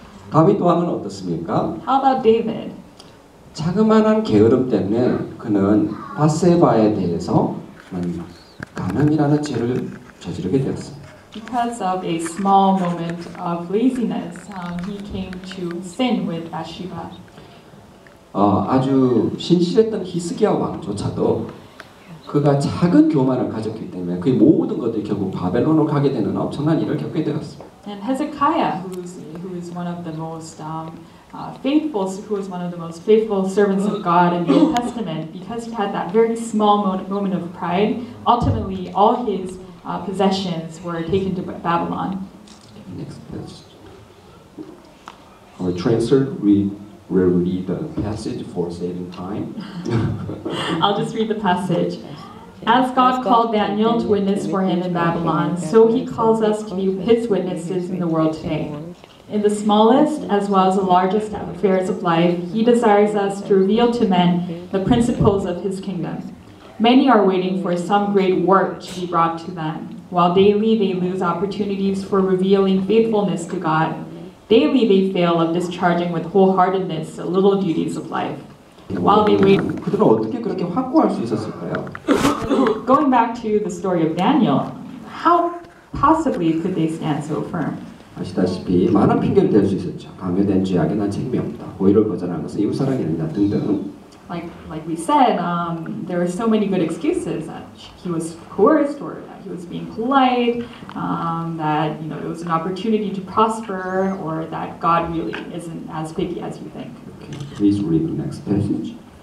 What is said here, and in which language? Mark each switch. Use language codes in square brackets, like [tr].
[ko] 다윗 왕은 어떻습니까? [en] How about David? [ko] 자그마한 게으름 때문에 그는 바세바에 대해서 간음이라는 죄를 저지르게 되었습니다. [en] Because of a small moment of laziness, he came to sin with Bathsheba. [ko] 아주 신실했던 히스기야 왕조차도 그가 작은 교만을 가졌기 때문에 그의 모든 것들이 결국 바벨론으로 가게 되는 엄청난 일을 겪게 되었습니다. [en] And Hezekiah, who is one of the most faithful, who is one of the most faithful servants of God in the Old Testament, because he had that very small moment of pride, ultimately all his possessions were taken to Babylon. Next passage. Our translator, we will read the passage for saving time. I'll just read the passage. As God called Daniel to witness for him in Babylon, so he calls us to be his witnesses in the world today. In the smallest as well as the largest affairs of life, he desires us to reveal to men the principles of his kingdom. Many are waiting for some great work to be brought to them. While daily they lose opportunities for revealing faithfulness to God, daily they fail of discharging with wholeheartedness the little duties of life. While they wait, [ko] 그들은 어떻게 그렇게 확고할 수 있었을까요? [en] Going back to the story of Daniel, how possibly could they stand so firm? [ko] 아시다시피 많은 핑계를 댈 수 있었죠. 감염된 죄악에 난 책임이 없다. 오히려 거절하는 것은 이웃 사랑이 아니다 등등. [en] Like we said, there are so many good excuses that he was coerced, or that he was being polite, that you know it was an opportunity to prosper, or that God really isn't as picky as you think. Okay, please read the next passage.